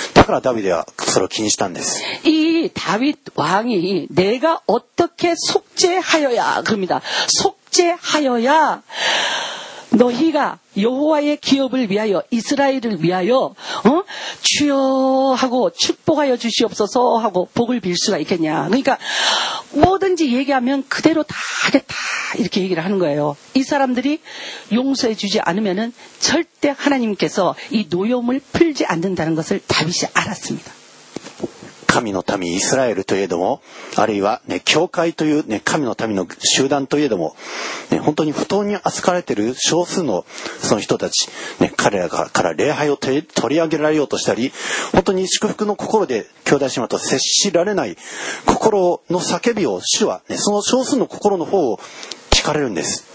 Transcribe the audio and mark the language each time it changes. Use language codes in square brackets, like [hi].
[ja] だからダビデはそれを気にしたんです。 [ko] 이다윗왕이내가어떻게속죄하여야그럽니다속 어찌하여야 너희가 여호와의 기업을 위하여 이스라엘을 위하여 어? 주여 하고 축복하여 주시옵소서 하고 복을 빌 수가 있겠냐. 그러니까 뭐든지 얘기하면 그대로 다 하겠다 이렇게 얘기를 하는 거예요. 이 사람들이 용서해 주지 않으면은 절대 하나님께서 이 노염을 풀지 않는다는 것을 다윗이 알았습니다. [ja] 神の民イスラエルといえども、あるいはね、教会というね、神の民の集団といえども、ね、本当に不当に扱われている少数のその人たち、ね、彼らから礼拝を取り上げられようとしたり、本当に祝福の心で兄弟姉妹と接しられない心の叫びを主は、ね、その少数の心の方を聞かれるんです。